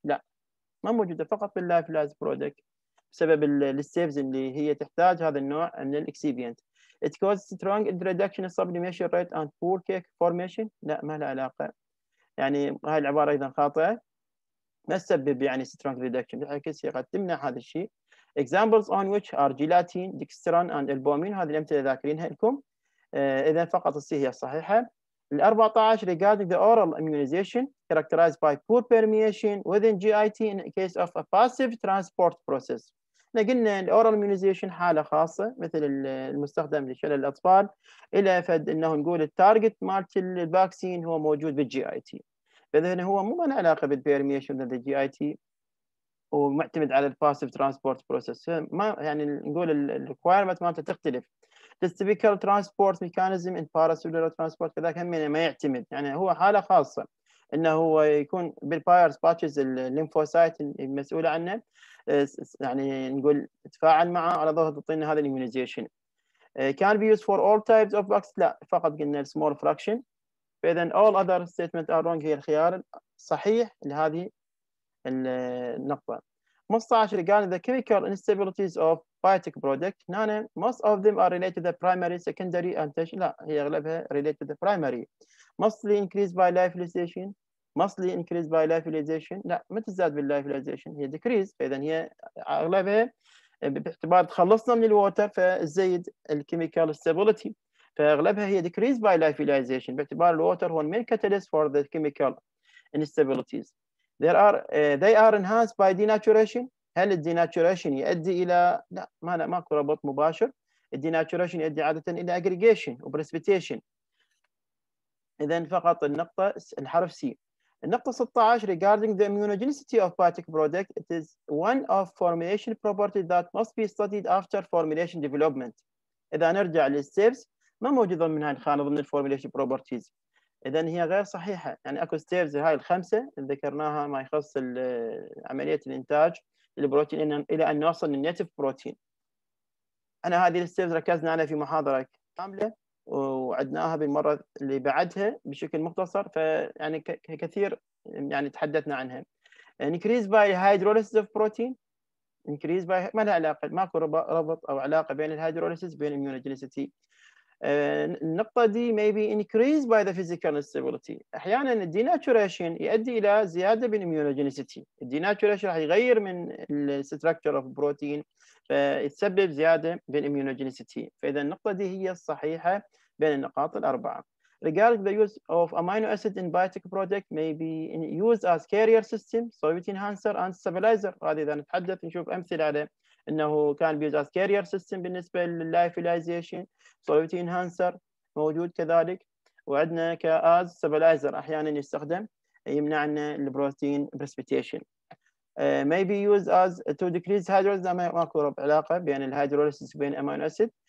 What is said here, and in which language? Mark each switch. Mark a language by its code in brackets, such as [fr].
[ar] لا ما موجودة فقط في اللايف لاز بروجكت بسبب السيفز اللي هي تحتاج هذا النوع من الاكسيبيانت. [en] It causes strong reduction in sublimation rate and poor cake formation. [ar] لا ما لها علاقة. يعني هاي العبارة أيضا خاطئة. ما تسبب يعني [en] strong reduction [ar] بالعكس هي قد تمنع هذا الشيء. [en] Examples on which are gelatin, dextran and albumin. [ar] هذه الأمثلة ذاكرينها لكم. إذا فقط السي هي الصحيحة. [en] الـ 14 regarding the oral immunization characterized by poor permeation within GIT in case of a passive transport process. [ar] قلنا الـ oral immunization حالة خاصة مثل المستخدم لشلل الأطفال إلى فد أنه نقول التارجت مالت الباكسين هو موجود بالـ GIT. فإذا هو مو له علاقة بالـ [en] permeation within the GIT [ar] ومعتمد على الـ [en] passive transport process. [ar] ما يعني نقول الـ requirement مالته تختلف. [en] This typical transport mechanism in paracellular transport [ar] كذا كمينة ما يعتمد. يعني هو حالة خاصة انه هو يكون بالبايرس باتشز الليمفوسايت المسؤولة عنه يعني نقول تفاعل معه على ضوء تعطينا هذا الاميونيزيشن. [en] Can be used for all types of vaccines. [ar] لا فقط قلنا [en] small fraction. [ar] فاذا [en] all other statements are wrong [ar] هي الخيار الصحيح لهذه النقطة. [en] 15 قال the chemical instabilities of biotech product. نانا most of them are related to the primary, secondary and tertiary. [ar] لا هي اغلبها [en] related to the primary. Mostly increased by lyophilization. Mostly increased by lyophilization. [ar] لا ما تزداد باللايفيليزيشن هي decrease. فاذا هي اغلبها باعتبار تخلصنا من الووتر فزيد الكيميكال stability. فاغلبها هي [en] decreased by lyophilization [ar] باعتبار الووتر هو [en] main catalyst for the chemical instabilities. They are enhanced by denaturation. [ar] هل الديناتوريشن يؤدي الى، لا ماكو ربط مباشر، الديناتوريشن يؤدي عاده الى اجريجيشن وبريسبيتيشن. اذا فقط النقطه الحرف سي. [en] النقطه 16 regarding the immunogenicity of biotic product, it is one of formulation property that must be studied after formulation development. [ar] اذا نرجع للستيبس ما موجوده من هاي الخانه ضمن الفورميليشن بروبرتيز، اذا هي غير صحيحه. يعني اكو ستيبس هاي الخمسه اللي ذكرناها ما يخص عمليه الانتاج البروتين الى ان نوصل للنيتف بروتين. انا هذه الستيبس ركزنا عليها في محاضره كامله وعدناها بالمره اللي بعدها بشكل مختصر، فيعني كثير يعني تحدثنا عنها. [en] increase by hydrolysis of protein, increase by [ar] ما لها علاقه، ماكو ربط او علاقه بين الهيدروليسيس بين الاميونوجينيسيتي. النقطه دي [en] maybe increase by the physical instability, [ar] احيانا الديناتوريشن يؤدي الى زياده بالاميونوجينيسيتي. الديناتوريشن راح يغير من الستركتشر اوف بروتين فيتسبب زياده بالاميونوجينيسيتي. فاذا النقطه دي هي الصحيحه بين النقاط الاربعه. [en] Regarding the use of amino acid in biotech product may be used as carrier system, solute enhancer and stabilizer. [ar] هذه اذا نتحدث نشوف امثله على انه [en] كان be use as carrier system [ar] بالنسبه لللايفيلايزيشن، سولوتي انهانسر موجود كذلك، وعندنا كاز ستابلايزر احيانا يستخدم يمنع لنا البروتين بريسبيتيشن. [en] may be use as to decrease hydrolysis, [ar] ماكو علاقه بين الهيدروليسيس وبين امينو اسيد.